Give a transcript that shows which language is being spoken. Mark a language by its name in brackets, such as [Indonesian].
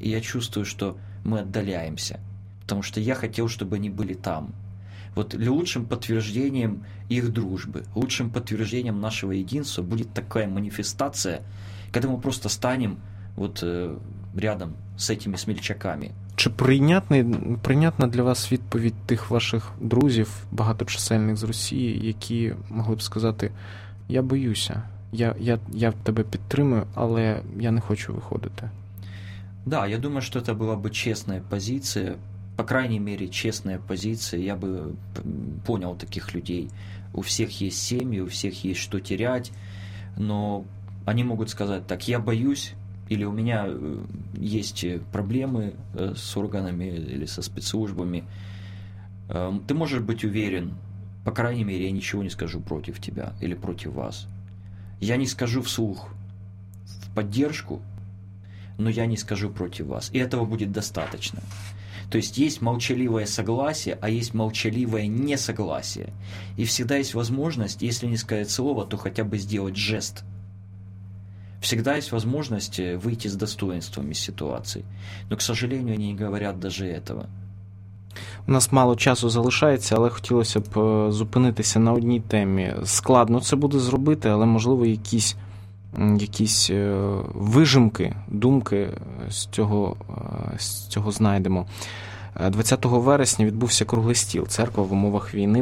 [Russian] И я чувствую, что мы отдаляемся, потому что я хотел, чтобы они были там. Вот лучшим подтверждением их дружбы, лучшим подтверждением нашего единства будет такая манифестация, когда мы просто станем вот рядом с этими смельчаками. [Ukrainian] Чи прийнятна для вас відповідь тих ваших друзів, багаточисельних з Росії, які могли б сказати, я боюся, я тебе підтримую, але я не хочу виходити? Да, я думаю, що це була б чесна позиція. [Russian] По крайней мере, честная позиция, я бы понял таких людей. У всех есть семьи, у всех есть что терять, но они могут сказать так, я боюсь, или у меня есть проблемы с органами или со спецслужбами. Ты можешь быть уверен, по крайней мере, я ничего не скажу против тебя или против вас. Я не скажу вслух в поддержку, но я не скажу против вас. И этого будет достаточно. То есть есть молчаливое согласие, а есть молчаливое несогласие. И всегда есть возможность, если не сказать слово, то хотя бы сделать жест. Всегда есть возможность выйти с достоинствами из ситуации. Но, к сожалению, они не говорят даже этого. [Ukrainian] У нас мало часу залишається, але хотілося б зупинитися на одній темі. Складно це буде зробити, але, можливо, якісь вижимки, думки з цього знайдемо. 20 вересня відбувся круглий стіл «Церква в умовах війни.